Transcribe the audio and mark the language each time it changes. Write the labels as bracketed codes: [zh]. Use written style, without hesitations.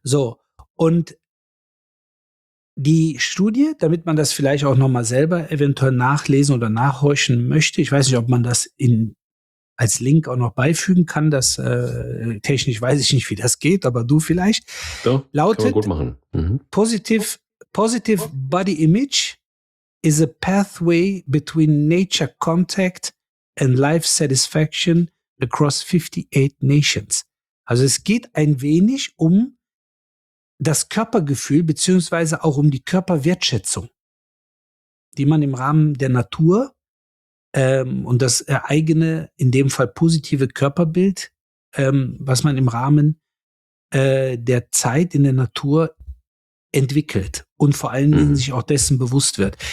[de] So, und die Studie, damit man das vielleicht auch nochmal selber eventuell nachlesen oder nachhorchen möchte, ich weiß nicht, ob man das in als Link auch noch beifügen kann, das technisch weiß ich nicht, wie das geht, aber du vielleicht. So, lautet, kann man gut machen. Mhm. [en] Positive Body Image is a pathway between nature contact and life satisfaction across 58 nations. [de] Also es geht ein wenig um das Körpergefühl beziehungsweise auch um die Körperwertschätzung, die man im Rahmen der Natur und das eigene, in dem Fall positive Körperbild, was man im Rahmen der Zeit in der Natur entwickelt und vor allen Dingen sich auch dessen bewusst wird.